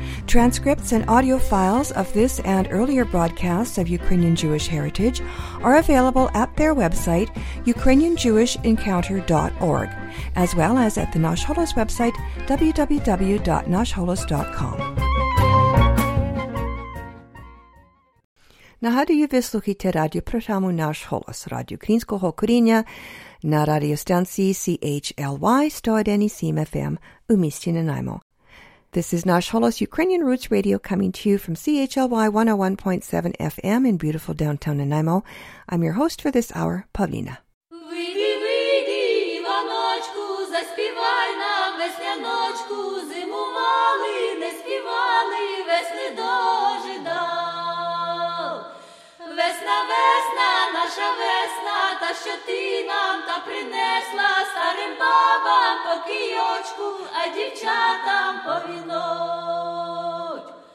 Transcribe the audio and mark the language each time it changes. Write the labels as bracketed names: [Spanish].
[English] Transcripts and audio files of this and earlier broadcasts of Ukrainian Jewish Heritage are available at their website, ukrainianjewishencounter.org, as well as at the Nash Holos website, www.nashholos.com. [Ukrainian] Нагадую, ви слухаєте радіопрограму «Наш голос» радіо Українського коріння на радіостанції CHLY 101.7 FM у місті Нанаймо. [English] This is Nash Holos Ukrainian Roots Radio coming to you from CHLY 101.7 FM in beautiful downtown Nanaimo. I'm your host for this hour, Павліна. [Ukrainian] Вийди, вийди, Іваночку, заспівай нам весняночку, зиму мали, не співали, весни дожидав. Весна, весна, наша весна, та що ти нам та принесла старим бабам по кийочку, а дівчатам по віночку.